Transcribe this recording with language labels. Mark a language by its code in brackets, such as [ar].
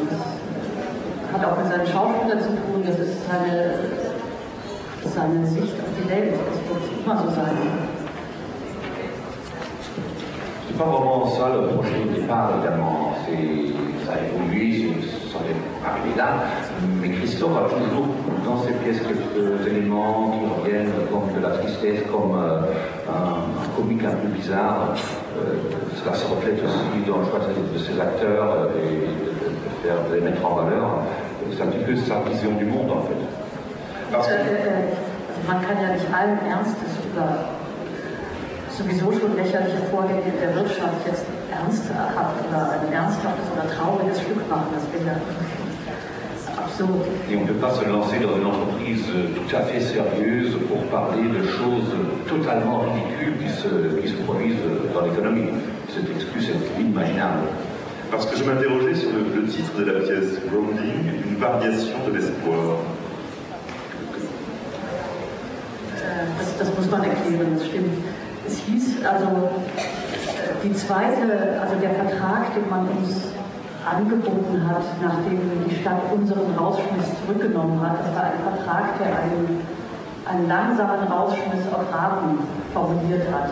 [de] Das hat auch mit seinen Schauspielern zu tun, das ist seine Sicht auf die Welt. Das wird immer so sein. [fr] C'est pas vraiment ça le projet de départ, évidemment. Ça a évolué, ça n'est pas arrivé là, mais Christophe a toujours dans ses pièces quelques éléments qui reviennent comme de la tristesse, comme un comique un peu bizarre. Cela se reflète aussi dans le choix de ses acteurs et de faire de les mettre en valeur. C'est un petit peu sa vision du monde en fait. Man kann ja nicht allen Ernstes über sowieso schon lächerliche Vorgänge der Wirtschaft jetzt ernst hat oder ein ernsthaftes oder trauriges Stück machen, das wäre absurd. Et on ne peut pas se lancer dans une entreprise tout à fait sérieuse pour parler de choses totalement ridicules qui se produisent dans l'économie. Cette excuse est inimaginable. Parce que je m'interrogeais sur le titre de la pièce Grounding, une variation de l'espoir. [de] Das muss man erklären, das stimmt. Es hieß also, die zweite, also der Vertrag, den man uns angeboten hat, nachdem die Stadt unseren Rausschmiss zurückgenommen hat. Das war ein Vertrag, der einen langsamen Rausschmiss auf Raten formuliert hat.